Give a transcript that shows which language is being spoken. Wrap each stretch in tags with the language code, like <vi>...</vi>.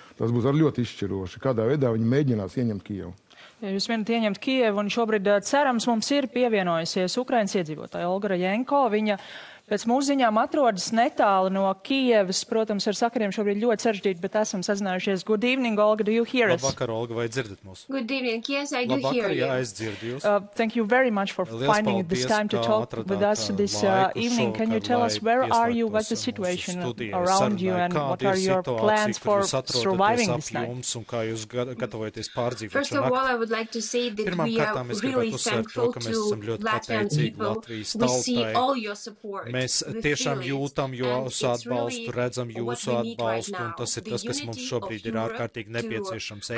<lv>Tas būs arī ļoti izšķiroši. Kādā veidā viņi mēģinās ieņemt Kijevu. Jūs vienot ieņemt Kijevu, un šobrīd cerams mums ir pievienojusies Ukrainas iedzīvotāja Olga Jenko. Viņa pēc mūsu ziņām atrodas netālu no Kijevas, protams, ar sakariem šobrīd ļoti sarežģīti, bet esam sazinājušies.</lv> <en>Good evening, Olga, do you hear us?</en> <lv>Labvakar, Olga, vai dzirdat mūs?</lv> <en>Good evening, yes, I do</en> <lv>Labvakar,</lv> <en>hear you.</en> <lv>Labvakar, jā, es dzirdu jūs.</lv> <en>Thank you very much for Lies finding this time to talk with us this evening. Can you tell us where are you, what's the situation around you and what are your plans for surviving this night?</en> <lv>Jums, un kā jūs gatavojaties pārdzīvot šo nakti? Pirmām kārtām, es gribētu uzsvērt, ka mēs esam ļoti pateicīgi Latvijas tautai. Mēs tiešām jūtam jūsu atbalstu, redzam jūsu atbalstu, un tas ir tas, kas mums šobrīd ir ārkārtīgi nepieciešams.</lv>